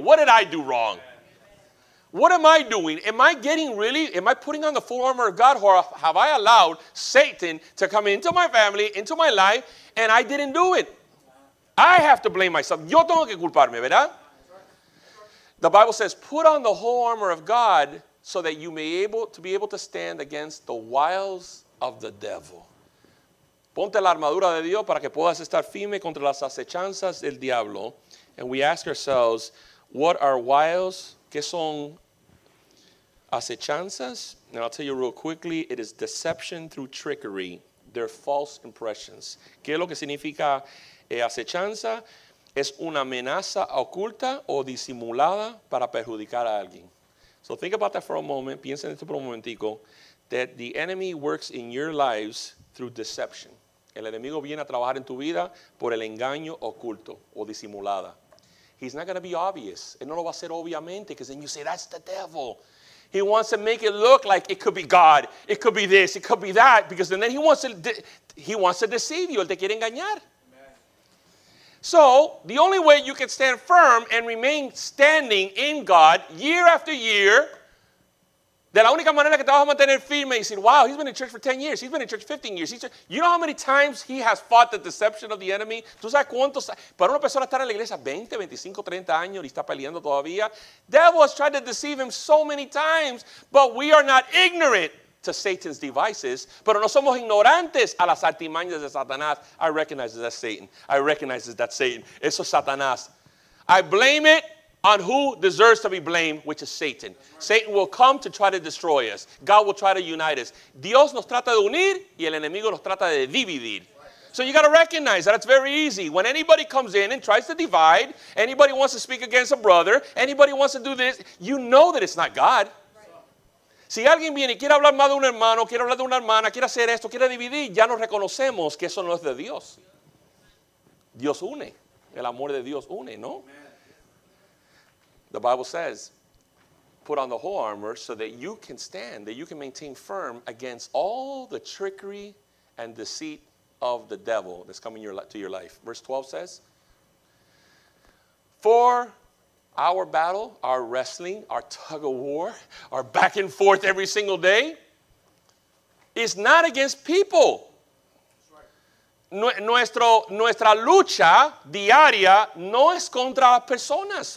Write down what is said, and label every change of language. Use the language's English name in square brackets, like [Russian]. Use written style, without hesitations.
[English] What did I do wrong? What am I doing? Am I putting on the full armor of God, or have I allowed Satan to come into my family, into my life, and I didn't do it? I have to blame myself. [Spanish] Yo tengo que culparme, ¿verdad? [English] The Bible says, put on the whole armor of God so that you may be able to stand against the wiles of the devil. [Spanish] Ponte la armadura de Dios para que puedas estar firme contra las acechanzas del diablo. [English] And we ask ourselves, what are wiles? [Spanish] ¿Qué son acechanzas? [English] And I'll tell you real quickly, it is deception through trickery. They're false impressions. [Spanish] ¿Qué es lo que significa acechanza? Es una amenaza oculta o disimulada para perjudicar a alguien. [English] So think about that for a moment. [Spanish] Piensa en esto por un momentico. [English] That the enemy works in your lives through deception. [Spanish] El enemigo viene a trabajar en tu vida por el engaño oculto o disimulada. [English] He's not going to be obvious. [Spanish] Él no lo va a ser obviamente, [English] because then you say, that's the devil. He wants to make it look like it could be God. It could be this. It could be that. Because then he wants to deceive you. [Spanish] Él te quiere engañar. [English] So the only way you can stand firm and remain standing in God year after year [Spanish] De la única manera que te vas a mantener firme y decir, [English] wow, he's been in church for 10 years. He's been in church 15 years. You know how many times he has fought the deception of the enemy? [Spanish] ¿Tú sabes cuántos? Para una persona estar en la iglesia 20, 25, 30 años y está peleando todavía. [English] Devil has tried to deceive him so many times, but we are not ignorant to Satan's devices. [Spanish] Pero no somos ignorantes a las artimañas de Satanás. [English] I recognize that's Satan. I recognize that's Satan. [Spanish] Eso es Satanás. [English] I blame it on who deserves to be blamed, which is Satan. Satan will come to try to destroy us. God will try to unite us. [Spanish] Dios nos trata de unir y el enemigo nos trata de dividir. [English] So you got to recognize that it's very easy. When anybody comes in and tries to divide, anybody wants to speak against a brother, anybody wants to do this, you know that it's not God. [Spanish] Si alguien viene y quiere hablar más de un hermano, quiere hablar de una hermana, quiere hacer esto, quiere dividir, ya nos reconocemos que eso no es de Dios. Dios une. El amor de Dios une, ¿no? [English] The Bible says, put on the whole armor so that you can stand, that you can maintain firm against all the trickery and deceit of the devil that's coming to your life. Verse 12 says, for our battle, our wrestling, our tug of war, our back and forth every single day is not against people. [Spanish] Nuestra lucha diaria no es contra las personas.